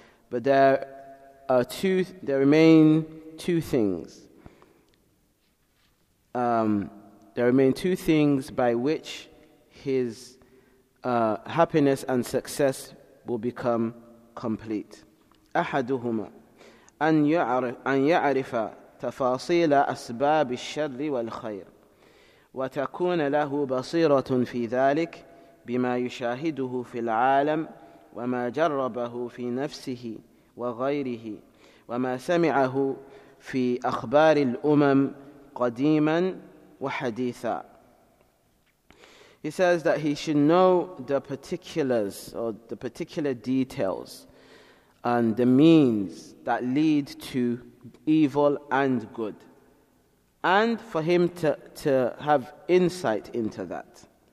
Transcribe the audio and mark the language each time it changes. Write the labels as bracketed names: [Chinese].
[English] But there remain two things. There remain two things by which his happiness and success will become complete. [Arabic] أحدهما أن يعرف تفاصيل أسباب الشر والخير وتكون له بصيرة في ذلك بما يشاهده في العالم وما جربه في نفسه وغيره وما سمعه في أخبار الأمم قديما وحديثا. [English] He says that he should know the particulars or the particular details and the means that lead to evil and good, and for him to have insight into that.